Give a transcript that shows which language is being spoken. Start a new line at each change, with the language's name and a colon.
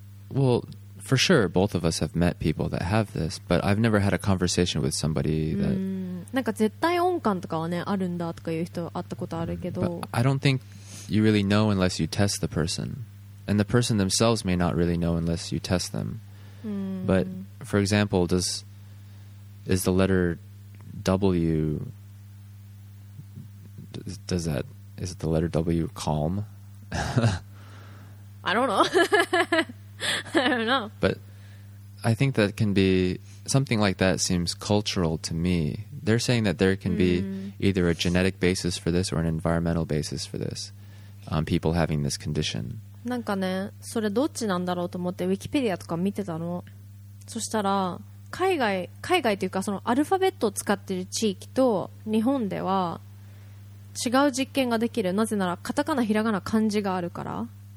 English: Well, for sure both of us have met people that have this, but I've never had a conversation with somebody that...
Japanese: なんか絶対音感とかはねあるんだとかいう人会ったことあるけど、
English: I don't thinkYou really know unless you test the person. And the person themselves may not really know unless you test them. But, for example, is the letter W, is the letter W calm? I don't know. I don't know. But I think that can be, something like that seems cultural to me. They're saying that there can be either a genetic basis for this or an environmental basis for this. People having this condition.
Japanese: なんかね、それどっちなんだろうと思ってウィキペディアとか見てたの。そしたら海外というかそのアルファベットを使ってる地域と日本では違う実験ができる。なぜならカタカナひらがな漢字があるから。